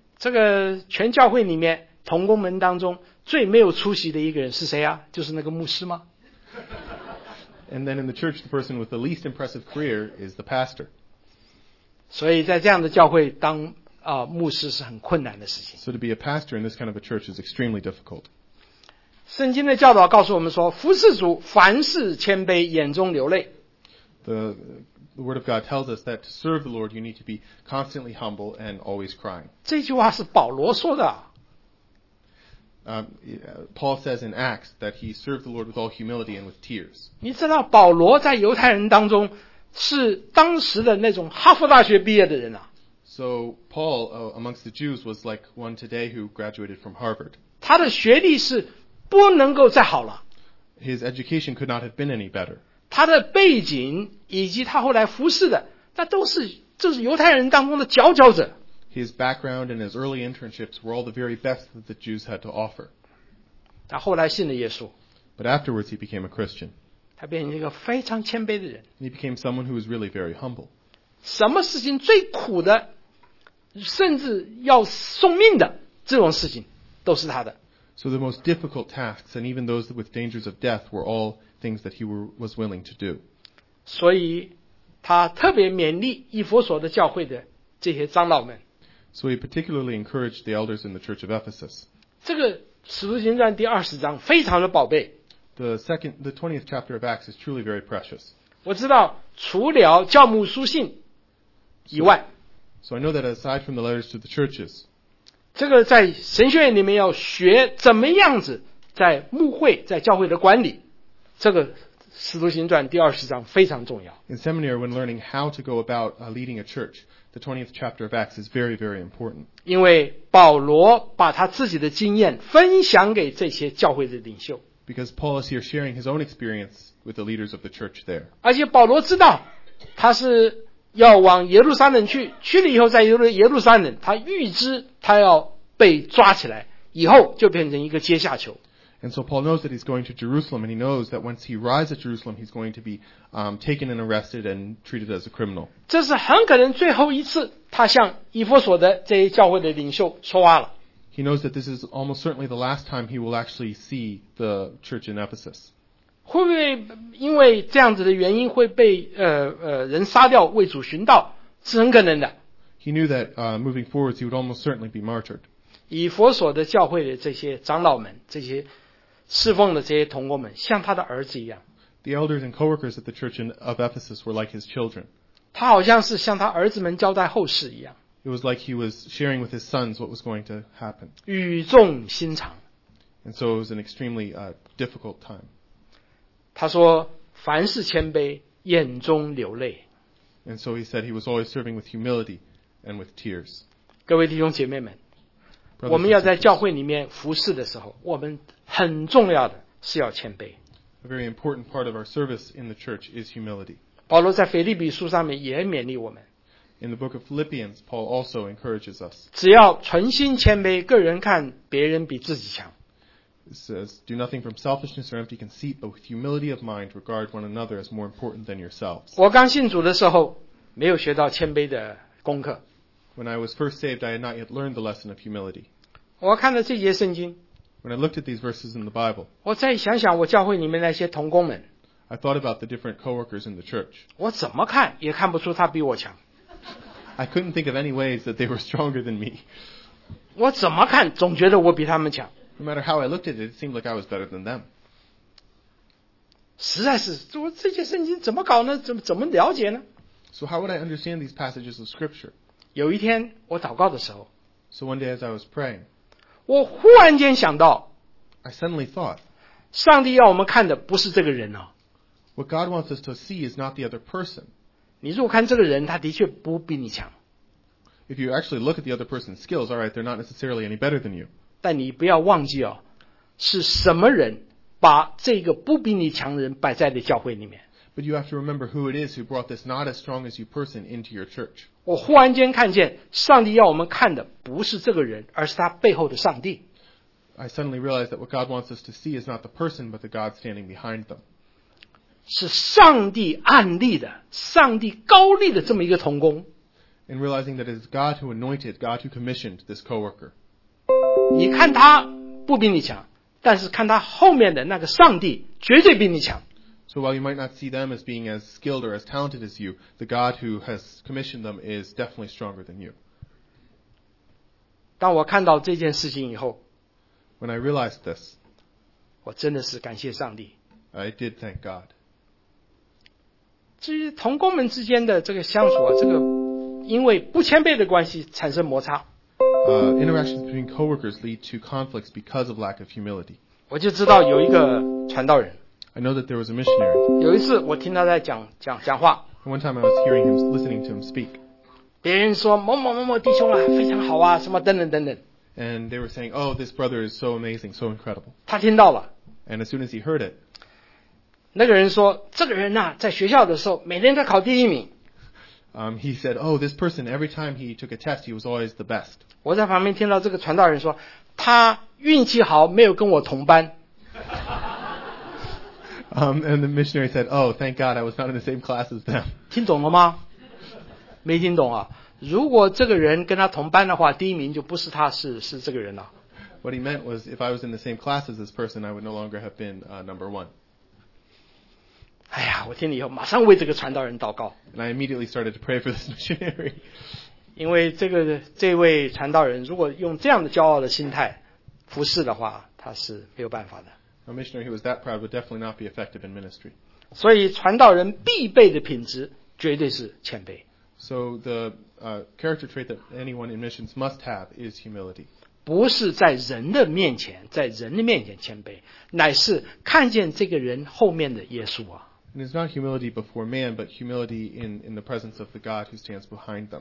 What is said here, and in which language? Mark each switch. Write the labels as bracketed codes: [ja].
[zh] 这个全教会里面同工们当中最没有出息的一个人是谁啊？就是那个牧师吗？ [en] And then in the church, the person with the least impressive career is the pastor. [zh] 所以在这样的教会当牧师是很困难的事情。 [en] So to be a pastor in this kind of a church is extremely difficult. [zh] 圣经的教导告诉我们说，服侍主，凡事谦卑，眼中流泪。 [en] The word of God tells us that to serve the Lord, you need to be constantly humble and always crying. [zh] 这句话是保罗说的。 [en] Paul says in Acts that he served the Lord with all humility and with tears. [zh] 你知道保罗在犹太人当中是当时的那种哈佛大学毕业的人啊。 [en] So Paul, amongst the Jews, was like one today who graduated from Harvard. [zh] 他的学历是不能够再好了。 [en] His education could not have been any better. [zh] 他的背景以及他后来服侍的，那都是就是犹太人当中的佼佼者。 [en] His background and his early internships were all the very best that the Jews had to offer. [zh] 他后来信了耶稣。 [en] But afterwards he became a Christian. [zh] 他变成一个非常谦卑的人。 [en] And he became someone who was really very humble. [zh] 什么事情最苦的，甚至要送命的这种事情，都是他的。 [en] So the most difficult tasks and even those with dangers of death were all things that he was willing to do. [zh] 所以他特别勉励以弗所的教会的这些长老们。 [en] So he particularly encouraged the elders in the church of Ephesus. [zh] 这个使徒行传第二十章非常的宝贝。 [en] The 20th chapter of Acts is truly very precious. [zh] 我知道除了教牧书信以外。 [en] So I know that aside from the letters to the churches. [zh] 这个在神学院里面要学怎么样子在牧会在教会的管理。这个使徒行传第二十章非常重要。 [en] In seminary, when learning how to go about leading a church,The 20th chapter of Acts is very, very important. [zh] 因为保罗把他自己的经验分享给这些教会的领袖。 [en] Because Paul is here sharing his own experience with the leaders of the church there. [zh] 而且保罗知道他是要往耶路撒冷去，去了以后在耶路撒冷，他预知他要被抓起来，以后就变成一个阶下囚。 [en] And so Paul knows that he's going to Jerusalem, and he knows that once he arrives at Jerusalem, he's going to be taken and arrested and treated as a criminal. [zh] 这是很可能最后一次他向以弗所的这些教会的领袖说话了。 [en] He knows that this is almost certainly the last time he will actually see the church in Ephesus. [zh] 会不会因为这样子的原因会被人杀掉为主殉道？是很可能的。 [en] He knew that moving forward, he would almost certainly be martyred. [zh] 以弗所的教会的这些长老们，这些侍奉的这些同工们，像他的儿子一样。 [en] The elders and co-workers at the church of Ephesus were like his children. [zh] 他好像是向他儿子们交代后事一样。 [en] It was like he was sharing with his sons what was going to happen. [zh] 语重心长。 [en] And so it was an extremely difficult time. [zh] 他说，凡事谦卑，眼中流泪。 [en] And so he said he was always serving with humility and with tears. [zh] 各位弟兄姐妹们，我们要在教会里面服侍的时候，我们很重要的是要谦卑。 [en] A very important part of our service in the church is humility. [zh] 保罗在腓立比书上面也勉励我们。 [en] In the book of Philippians, Paul also encourages us. [zh] 只要存心谦卑，个人看别人比自己强。 [en] It says, do nothing from selfishness or empty conceit, but with humility of mind, regard one another as more important than yourselves. [zh] 我刚信主的时候，没有学到谦卑的功课。 [en] When I was first saved, I had not yet learned the lesson of humility. [zh] 我看了这些圣经。 [en] When I looked at these verses in the Bible, [zh] 我再想想我教会里面那些同工们。 [en] I thought about the different co-workers in the church. [zh] 我怎么看也看不出他比我强。 [en] I couldn't think of any ways that they were stronger than me. [zh] 我怎么看总觉得我比他们强。 [en] No matter how I looked at it, it seemed like I was better than them. [zh] 实在是，这些圣经怎么搞呢？怎么了解呢？ [en] So how would I understand these passages of scripture? [zh] 有一天我祷告的时候 [en] So one day as I was praying, [zh] 我忽然间想到 [en] I suddenly thought, [zh] 上帝要我们看的不是这个人啊。 [en] What God wants us to see is not the other person. [zh] 你如果看这个人他的确不比你强。 [en] If you actually look at the other person's skills, all right, they're not necessarily any better than you. [zh] 但你不要忘记啊，是什么人把这个不比你强的人摆在了教会里面。 [en] But you have to remember who it is who brought this not as strong as you person into your church. [zh] 我忽然间看见上帝要我们看的不是这个人，而是他背后的上帝。 [en] I suddenly realized that what God wants us to see is not the person but the God standing behind them. [zh] 是上帝暗立的，上帝高立的这么一个同工。 [en] And realizing that it is God who anointed, God who commissioned this co-worker. [zh] 你看他不比你强，但是看他后面的那个上帝绝对比你强。 [en] So while you might not see them as being as skilled or as talented as you, the God who has commissioned them is definitely stronger than you. [zh] 当我看到这件事情以后 [en] ，When I realized this， [zh] 我真的是感谢上帝。 [en] I did thank God。 [zh] 至于同工们之间的这个相处啊，这个因为不谦卑的关系产生摩擦。 [en] Interactions between coworkers lead to conflicts because of lack of humility。 [zh] 我就知道有一个传道人。 [en] I know that there was a missionary。 [zh] 有一次我听他在讲话。 [en] One time I was hearing him, listening to him speak。 [zh] 别人说某某某某弟兄啊，非常好啊，什么等等等等。 [en] And they were saying, oh, this brother is so amazing, so incredible。 [zh] 他听到了。 [en] And as soon as he heard it。 [zh] 那个人说这个人啊在学校的时候每天都考第一名。 [en] He said, oh, this person, every time he took a test, he was always the best. [zh] 我在旁边听到这个传道人说他运气好没有跟我同班。 [en] And the missionary said, oh, thank God I was not in the same class as them. [zh] 听懂了吗？没听懂啊。如果这个人跟他同班的话第一名就不是他是这个人了。 [en] What he meant was, if I was in the same class as this person, I would no longer have been number one. [zh] 哎呀，我听了以后马上为这个传道人祷告。 [en] And I immediately started to pray for this missionary. [zh] 因为这位传道人如果用这样的骄傲的心态服侍的话，他是没有办法的。 [en] A missionary who was that proud would definitely not be effective in ministry. [zh] 所以传道人必备的品质绝对是谦卑。 [en] So the character trait that anyone in missions must have is humility. [zh] 不是在人的面前，在人的面前谦卑，乃是看见这个人后面的耶稣啊。 [en] And it's not humility before man, but humility in the presence of the God who stands behind them.